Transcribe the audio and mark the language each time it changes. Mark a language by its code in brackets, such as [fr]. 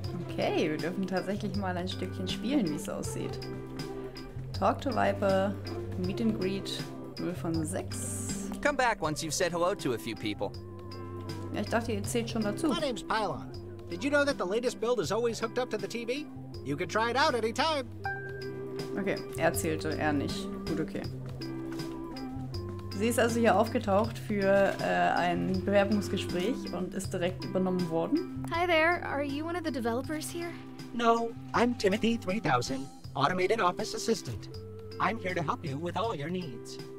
[de] Okay, wir dürfen tatsächlich mal ein Stückchen spielen, wie es aussieht. [en] Talk to Viper, meet and greet, 0 von 6. Come back once you've said hello to a few people. [de] Ja, ich dachte, ihr zählt schon dazu. [en] My name's Pylon. Did you know that the latest build is always hooked up to the TV? You can try it out anytime. [de] Okay, erzählte er nicht. Gut, okay. Sie ist also hier aufgetaucht für ein Bewerbungsgespräch und ist direkt übernommen worden. [en] Hi there, are you one of the developers here? No, I'm Timothy 3000, Automated Office Assistant. I'm here to help you with all your needs.